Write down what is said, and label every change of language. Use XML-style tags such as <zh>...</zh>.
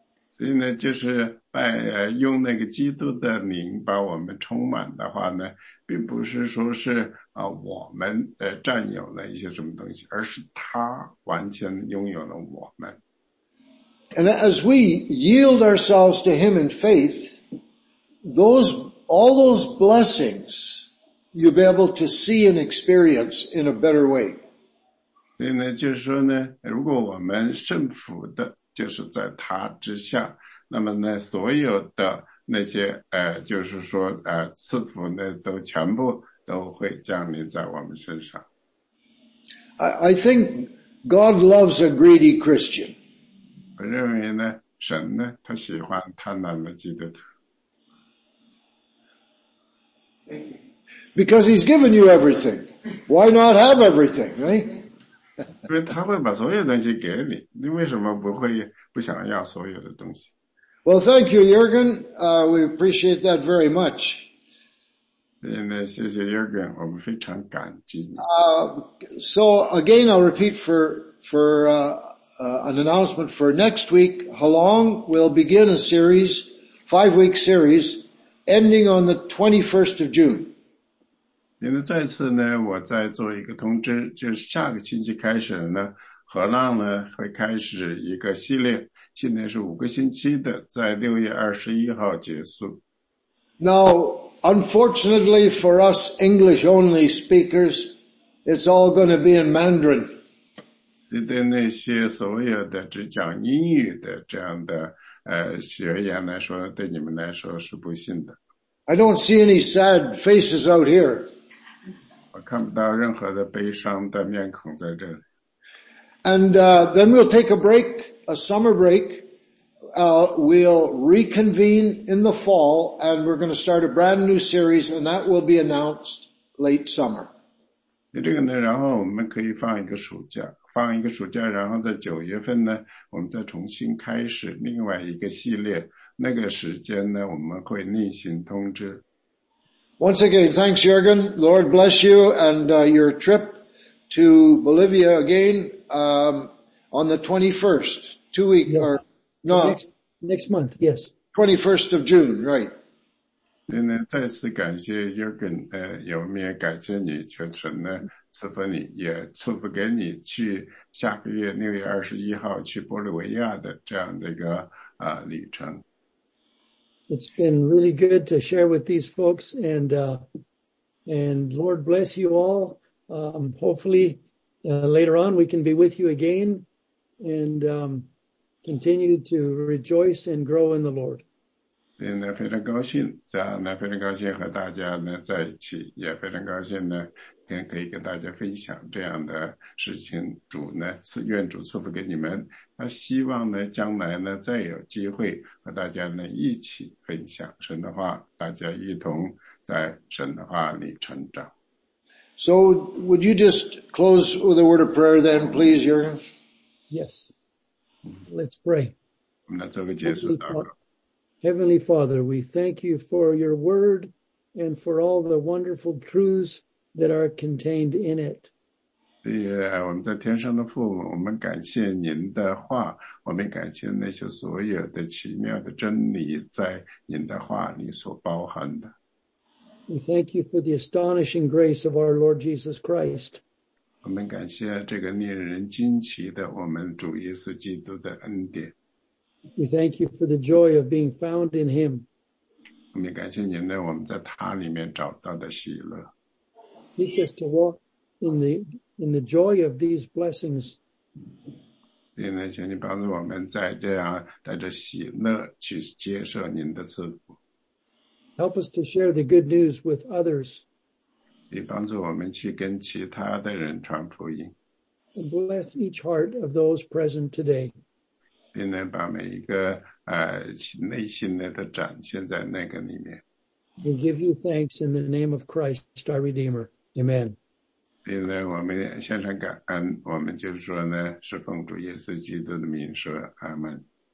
<zh>所以呢，就是。用那个基督的灵把我们充满的话呢，并不是说是我们占有了一些什么东西，而是他完全拥有了我们。</zh> <en>And as we yield ourselves to him in faith, all those blessings you'll be able to see and experience in a better way.</en> <zh>所以呢，就是说呢，如果我们顺服的，就是在他之下。那么呢，所有的那些就是说赐福呢，都全部都会降临在我们身上。</zh> <en>I think God loves a greedy Christian.</en> <zh>我认为呢，神呢，他喜欢贪婪的基督徒。</zh> <en>Thank you. Because He's given you everything, why not have everything, right?</en> <zh>因为他会把所有东西给你，你为什么不想要所有的东西？</zh> <en>Well, thank you, Jürgen. We appreciate that very much.</en> <zh>谢谢 Jürgen, 我们非常感激你。</zh> <en>So again, I'll repeat for an announcement for next week. Halong will begin a series, 5-week series, ending on the 21st of June.</en> <zh>那再次呢，我再做一个通知，就是下个星期开始呢。荷浪呢会开始一个系列，现在是5个星期的，在6月21号结束。</zh> <en>Now, unfortunately for us English only speakers, it's all going to be in Mandarin.</en> <zh>对那些所有的只讲英语的这样的学员来说，对你们来说是不幸的。</zh> <en>I don't see any sad faces out here.</en> <zh>我看不到任何的悲伤的面孔在这里。</zh> <en>And then we'll take a break, a summer break. We'll reconvene in the fall, and we're going to start a brand new series, and that will be announced late summer.</en> <zh>这个呢，然后我们可以放一个暑假，放一个暑假，然后在九月份呢，我们再重新开始另外一个系列。那个时间呢，我们会另行通知。</zh> <en>Once again, thanks, Jürgen. Lord bless you and your trip to Bolivia again on the 21st, 2 weeks、yes. or no, next month, yes. 21st of June, right.</en> <zh>今天再次感谢 Jürgen, 有没有感谢你全程呢赐福你也赐福给你去下个月6月21号去玻利维亚的这样的一个旅程。</zh> <en>It's been really good to share with these folks and Lord bless you all. Hopefully, later on we can be with you again and, continue to rejoice and grow in the Lord.</en> <zh>今天非常高兴，非常高兴和大家呢在一起，也非常高兴呢，今天可以跟大家分享这样的事情。主呢，愿主赐福给你们。那希望呢，将来呢再有机会和大家呢一起分享神的话，大家一同在神的话里成长。</zh> <en>So would you just close with a word of prayer then, please, Jürgen? Yes. Let's pray.</en> <zh>我们来做个结束祷告。</zh> <en>Heavenly Father, we thank you for your word and for all the wonderful truths that are contained in it.</en> <zh>对呀，我们在天上的父，我们感谢您的话，我们感谢那些所有的奇妙的真理在您的话里所包含的。</zh> <en>We thank you for the astonishing grace of our Lord Jesus Christ.</en> <zh>我们感谢这个令人惊奇的我们主耶稣基督的恩典。</zh> <en>We thank you for the joy of being found in him.</en> <zh>我们感谢您呢，我们在他里面找到的喜乐。</zh> <en>Teach us to walk in the joy of these blessings.</en> <zh>所以呢，请你帮助我们在这样带着喜乐去接受您的赐福。</zh> <en>Help us to share the good news with others.</en> <zh>也帮助我们去跟其他的人传福音。</zh> <en>And bless each heart of those present today.</en> <zh>并能把每一个内心的都展现在那个里面。</zh> <en>We give you thanks in the name of Christ, our Redeemer. Amen.</en> <zh>并呢，我们献上感恩，我们就说呢，是奉主耶稣基督的名说，阿门。</zh>